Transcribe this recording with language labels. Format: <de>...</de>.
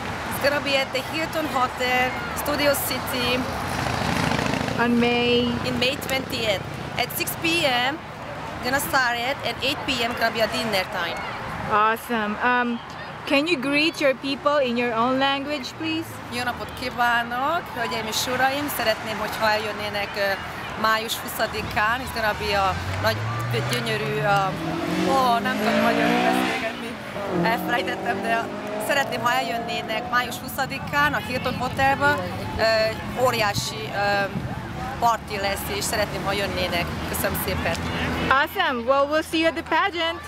<en>It's going to be at the Hilton Hotel, Studio City. In May 20th. At 6 p.m. gonna start it, and 8 p.m. gonna be a dinner time. Awesome. Can you greet your people in your own language, please?</en> <hu>Jó napot kívánok, hölgyeim és uraim! Szeretném, hogyha eljönnének május 20-án.</hu> <en>It's gonna be a</en> <hu>nagy, gyönyörű, nem tudom, hogy magyarul beszélgetni. Elfelejtettem, de szeretném, ha eljönnének május 20-án a Hilton Hotelba. Óriási party lesz, és szeretném, ha jönnének. Köszönöm szépen!</hu> <en>Awesome! Well, we'll see you at the pageant!</en>